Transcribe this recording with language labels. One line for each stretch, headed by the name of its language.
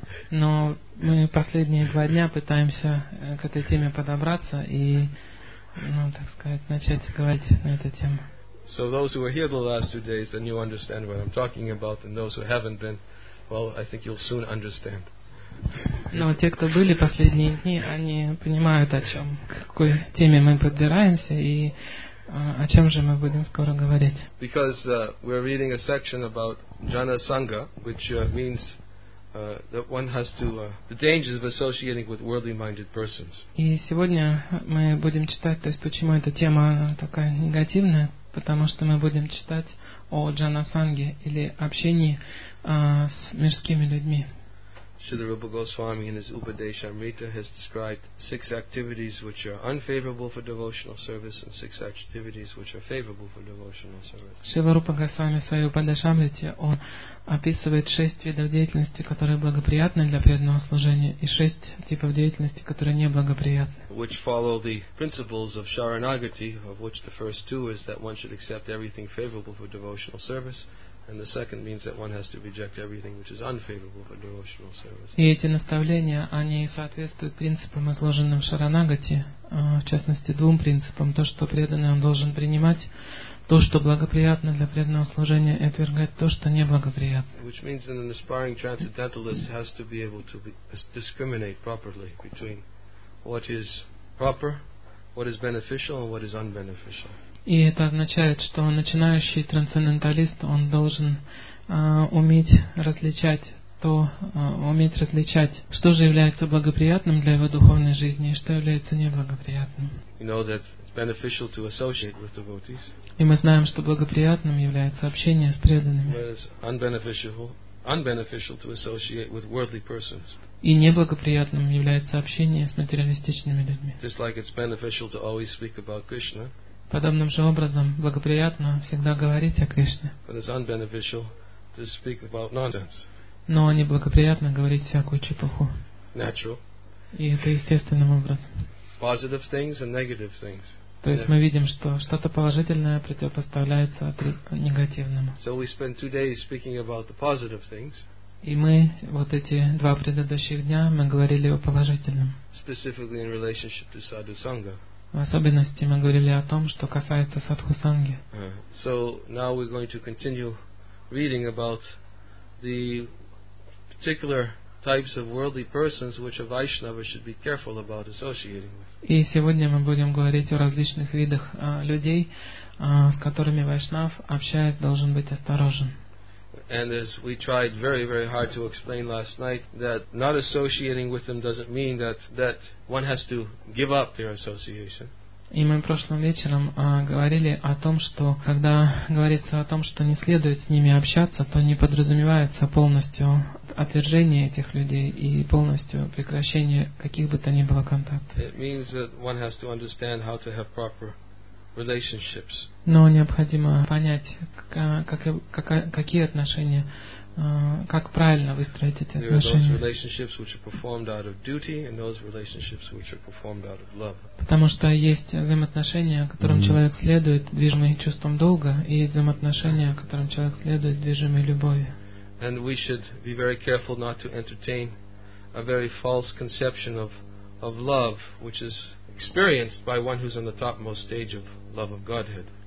Russian: Но мы последние два дня пытаемся к этой теме подобраться и так сказать, начать говорить на эту тему.
English: So those who were here the last two days, then you understand what I'm talking about, and those who haven't been, well, I think you'll soon understand.
Russian: Но те, кто были последние дни, они понимают, о чем, к какой теме мы подбираемся и о чем же мы будем скоро говорить.
English: Because we're reading a section about Jana Sangha, which means that one has to the dangers of associating with worldly minded persons.
Russian: И сегодня мы будем читать, то есть почему эта тема такая негативная, потому что мы будем читать о джанасанге или общении с мирскими людьми.
English: Shri Rupa Goswami in his Upadeshamrita has described six activities which are unfavorable for devotional service and six activities which are favorable for devotional service. Shri Rupa Goswami in his Upadeshamrita
Russian: он описывает шесть видов деятельности, которые благоприятны для преданного служения, и шесть типов деятельности, которые неблагоприятны.
English: Which follow the principles of Sharanagati, of which the first two is that one should accept everything favorable for devotional service. And the second means that one has to reject everything which is unfavorable for devotional service.
Russian: И эти наставления, они соответствуют принципам, изложенным в Шаранагати, в частности, двум принципам. То, что преданный, он должен принимать. То, что благоприятно для преданного служения, и отвергать то, что неблагоприятно.
English: Which means that an aspiring transcendentalist has to be able to discriminate properly between what is proper, what is beneficial, and what is unbeneficial.
Russian: И это означает, что начинающий трансценденталист, он должен уметь различать, что же является благоприятным для его духовной жизни и что является неблагоприятным.
English: You know that it's beneficial to associate with devotees.
Russian: И мы знаем, что благоприятным является общение с преданными.
English: Whereas unbeneficial to associate with worldly persons.
Russian: И неблагоприятным является общение с материалистичными людьми.
English: Just like it's beneficial to always speak about Krishna.
Russian: Подобным же образом благоприятно всегда говорить о Кришне.
English: But it's unbeneficial to speak about nonsense.
Russian: Но неблагоприятно говорить всякую чепуху.
English: Natural.
Russian: И это естественным образом.
English: Positive things and negative things.
Russian: То есть мы видим, что что-то положительное противопоставляется негативному.
English: So we spend two days speaking about the positive things.
Russian: И мы вот эти два предыдущих дня мы говорили о положительном.
English: Specifically in relationship to Sadhu Sangha.
Russian: В особенности мы говорили о том, что касается садху-санги.
English: So now we're going to continue reading about the particular types of worldly persons which a Vaishnava should be careful about associating with.
Russian: И сегодня мы будем говорить о различных видах людей, с которыми Вайшнав, общаясь, должен быть осторожен.
English: And as we tried very, very hard to explain last night, that not associating with them doesn't mean that one has to give up their association.
Russian: И мы прошлым вечером говорили о том, что когда говорится о том, что не следует с ними общаться, то не подразумевается полностью отвержение этих людей и полностью прекращение каких бы то ни было контактов.
English: It means that one has to understand how to have proper relationships.
Russian: Но необходимо понять, какие отношения, как правильно выстроить эти отношения. Потому что есть взаимоотношения, которым человек следует, движимый чувством долга, и есть взаимоотношения, которым человек следует, движимый любовью.
English: And we should be very careful not to entertain a very false conception of of love, which is experienced by one who's on the topmost stage of love of Godhead.